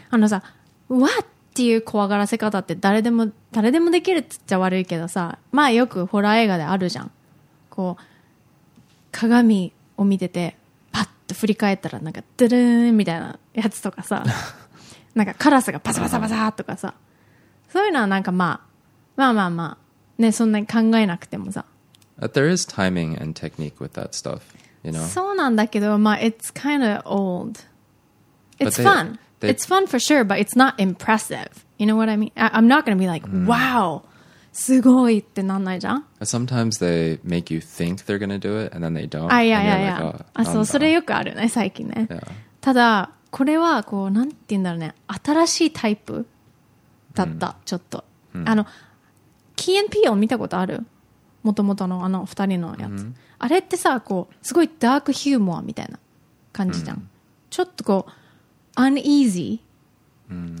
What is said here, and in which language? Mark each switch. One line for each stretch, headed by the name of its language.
Japanese: あのさわっていう怖がらせ方って誰でもできるっちゃ悪いけどさまあよくホラー映画であるじゃんこう鏡を見てて振り返ったらなんかドゥルーンみたいなやつとかさなんかカラスがパサパサパサとかさそういうのはなんか、まあ、まあまあまあねそんなに考えなくてもさ
English: But there is timing and technique with that stuff you know?
Japanese: そうなんだけどまあ
English: it's kind of old It's fun It's fun for sure but it's not impressive You know what I mean? I'm not gonna be like、mm.
Japanese: wow すごいってなんないじゃん
English: Sometimes they make you think they're gonna do it and then they don't.
Japanese: あ、いやいやいや。あ、そう、それよくあるね、最近ね。
English: Yeah.
Japanese: ただ、これはこう、なんて言うんだろうね、新しいタイプだった、mm. ちょっと。 Mm. あの、Key and Peele見たことある? もともとのあの二人のやつ。Mm. あれってさ、こう、すごいダークヒューモアみたいな感じじゃん。Mm. ちょっとこう、uneasy、mm.